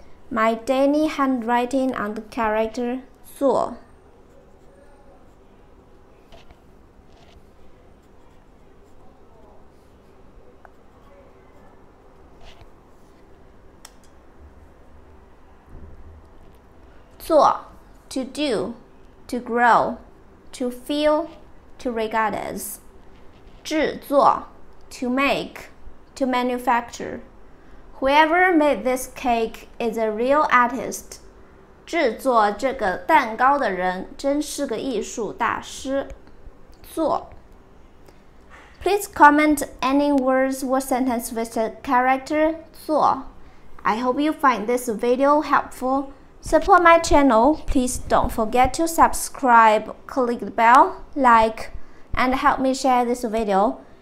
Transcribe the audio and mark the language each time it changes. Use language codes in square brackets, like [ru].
[en] My daily handwriting on the character 做做 to do, to grow, to feel, to regard as. 制作 to make, to manufacture. Whoever made this cake is a real artist. [zh] 制作这个蛋糕的人真是个艺术大师。 [en] 做 Please comment any words or sentence with the character 做 I hope you find this video helpful. Support my channel, please don't forget to subscribe, click the bell, like, and help me share this video.